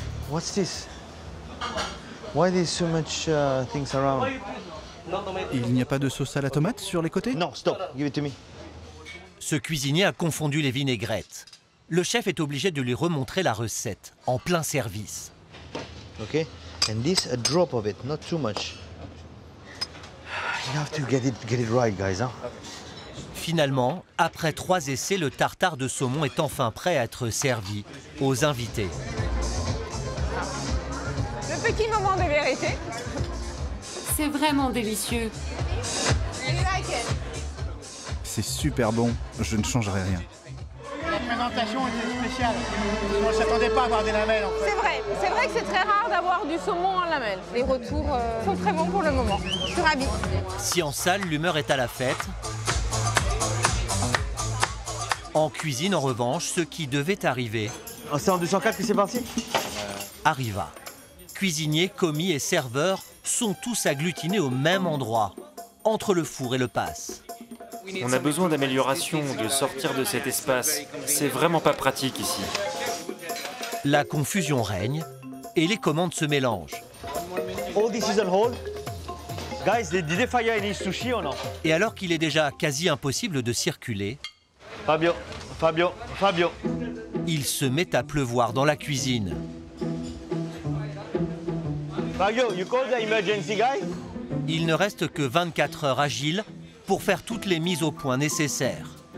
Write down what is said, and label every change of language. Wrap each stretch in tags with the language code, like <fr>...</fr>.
<en>What's this? Why there's so much things around?</en> <fr>Il n'y a pas de sauce à la tomate sur les côtés?</fr> <en>Non, stop. Give it to me.</en> <fr>Ce cuisinier a confondu les vinaigrettes. Le chef est obligé de lui remontrer la recette en plein service.</fr> <en>Okay, and this a drop of it, not too much. You have to get it right, guys. Hein?</en> <fr>Finalement, après trois essais, le tartare de saumon est enfin prêt à être servi aux invités. Le petit moment de vérité. C'est vraiment délicieux. C'est super bon. Je ne changerai rien. La présentation était spéciale. On ne s'attendait pas à avoir des lamelles. En fait. C'est vrai. C'est vrai que c'est très rare d'avoir du saumon en lamelles. Les retours sont très bons pour le moment. Je suis ravie. Si en salle, l'humeur est à la fête, en cuisine, en revanche, ce qui devait arriver C'est en 204 que c'est parti. Arriva. Cuisiniers, commis et serveurs sont tous agglutinés au même endroit, entre le four et le pass. On a besoin d'amélioration, de sortir de cet espace. C'est vraiment pas pratique ici. La confusion règne et les commandes se mélangent.</fr> <en>All this is on hold. Guys, did they fire any sushi or not?</en> <fr>Et alors qu'il est déjà quasi impossible de circuler, Fabio. Il se met à pleuvoir dans la cuisine.</fr> <en>Fabio, you call the emergency guy?</en> <fr>Il ne reste que 24 heures agiles pour faire toutes les mises au point nécessaires.</fr>